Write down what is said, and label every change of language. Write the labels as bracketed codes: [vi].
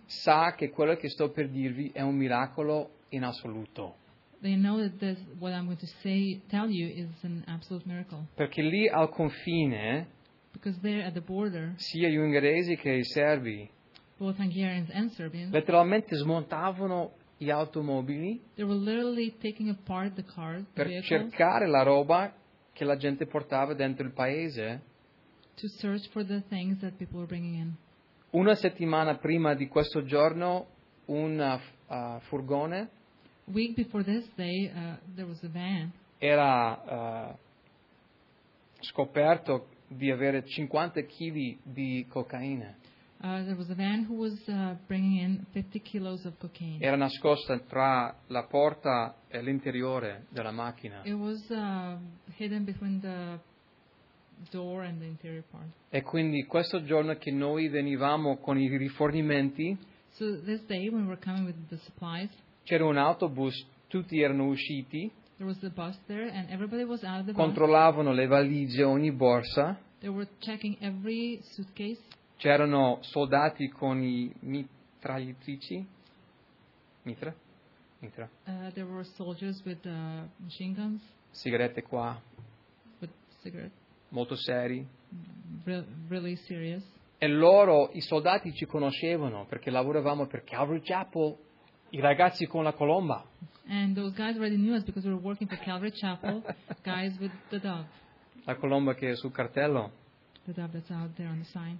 [it] sa che quello che sto per dirvi è un miracolo in assoluto. [en] They know that this, what I'm going to say, tell you, is an absolute miracle. [it] Perché lì al confine, [en] because there at the border, [it] sia gli ungheresi che i serbi, [en] both Hungarians and Serbians, [it] letteralmente smontavano gli automobili, [en] they were literally taking apart the cars, the [it] per [en] vehicles, [it] cercare la roba che la gente portava dentro il paese, [en] to search for the things that people were bringing in. [it] Una settimana prima di questo giorno, un furgone [en] week before this day, there was a van. [it] Era scoperto di avere 50 kg di cocaina. [en] There was a van who was bringing in 50 kilos of cocaine. [it] Era nascosta tra la porta e l'interiore della macchina. [en] It was hidden between the door and the interior part. [it] E quindi questo giorno che noi venivamo con i rifornimenti, [en] so this day when we were coming with the supplies, [it] c'era un autobus, tutti erano usciti. [en] There was a bus there and everybody was out of the bus. [it] Controllavano le valigie, ogni borsa. [en] They were checking every suitcase. [it] C'erano soldati con i mitragliatrici. Mitra. [en] There were soldiers with machine guns. [it] Sigarette qua. [en] With cigarettes. [it] Molto seri. [en] Really serious. [it] E loro, i soldati, ci conoscevano perché lavoravamo per Calvary Chapel, i ragazzi con la colomba. [en] And those guys already knew us because we were working for Calvary Chapel, guys with the dove. [it] La colomba che è sul cartello. [en] The dove that's out there on the sign.